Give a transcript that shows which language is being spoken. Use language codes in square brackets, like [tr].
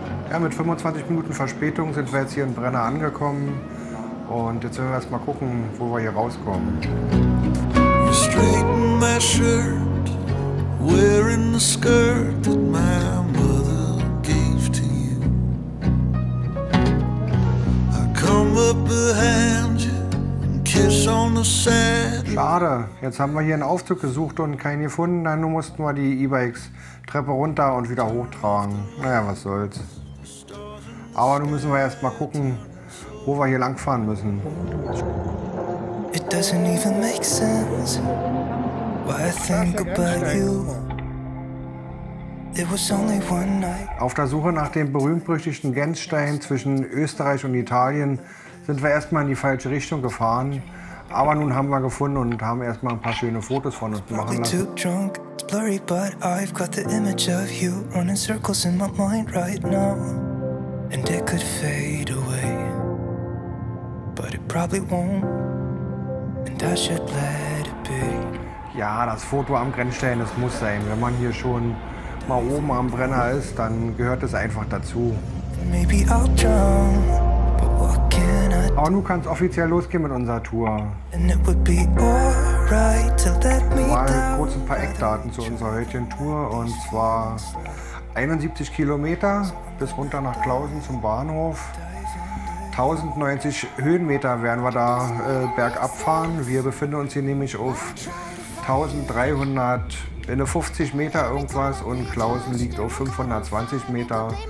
[de] Ja, mit 25 Minuten Verspätung sind wir jetzt hier in Brenner angekommen und jetzt werden wir erst mal gucken, wo wir hier rauskommen. [en] You straighten my shirt, wearing the skirt that my mother gave to you. I come up behind you and kiss on the saddle. [de] Schade, jetzt haben wir hier einen Aufzug gesucht und keinen gefunden, dann mussten wir die E-Bikes Treppe runter und wieder hochtragen. Naja, was soll's. Aber nun müssen wir erst mal gucken, wo wir hier langfahren müssen. [en] It doesn't even make sense why I think about you. It was only one night. [de] Auf der Suche nach dem berühmt-berüchtigten Gänzstein zwischen Österreich und Italien sind wir erstmal in die falsche Richtung gefahren. Aber nun haben wir gefunden und haben erstmal ein paar schöne Fotos von uns machen lassen. [en] Blurry, but I've got the image of you running circles in my mind right now. And it could fade away, but it probably won't. And I should let it be. [de] Ja, das Foto am Grenzstein, das muss sein. Wenn man hier schon mal oben am Brenner ist, dann gehört es einfach dazu. [en] Maybe I'll drown, but what can I do? [de] Aber nun kann es offiziell losgehen mit unserer Tour. [en] And it would be alright to let me down. [de] Mal kurz ein paar Eckdaten zu unserer heutigen Tour, und zwar 71 Kilometer bis runter nach Klausen zum Bahnhof. 1090 Höhenmeter werden wir da bergab fahren. Wir befinden uns hier nämlich auf 1350 Meter irgendwas und Klausen liegt auf 520 Meter.